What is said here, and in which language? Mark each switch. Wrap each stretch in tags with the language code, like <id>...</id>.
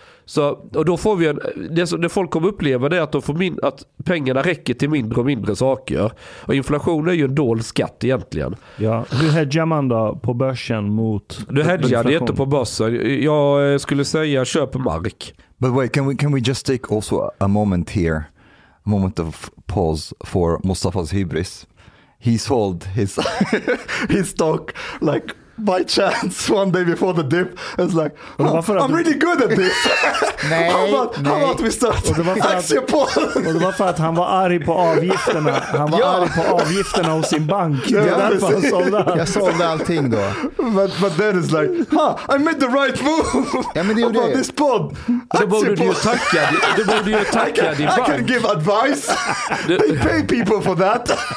<sv>Så, och då får vi det folk kommer uppleva det är att de får att pengarna räcker till mindre och mindre saker. Och inflation är ju en dold skatt egentligen. Ja, hur hedjar man då på börsen mot du hedjar det inte på börsen. Jag skulle säga köp mark.</sv> <en>But wait, can we just take also a moment here? A moment of pause for Mustafa's hybris. He sold his stock like by chance one day before the dip. It's like, oh, I'm really good at this.</en> <sv>Nej,</sv> <en>how about we start aktiepodden?</en> <sv>Och det var för att han var arg på avgifterna. Han var arg på avgifterna hos sin bank. Ja, det är därför han sålde. Jag sålde allting då.</sv> <en>But then it's like, huh, I made the right move.</en> <sv>Ja, men det gjorde</sv> <en>about this pod.</en> <sv>Då borde du ju tacka din bank.</sv> <en>I can give advice. They pay people for that.</en>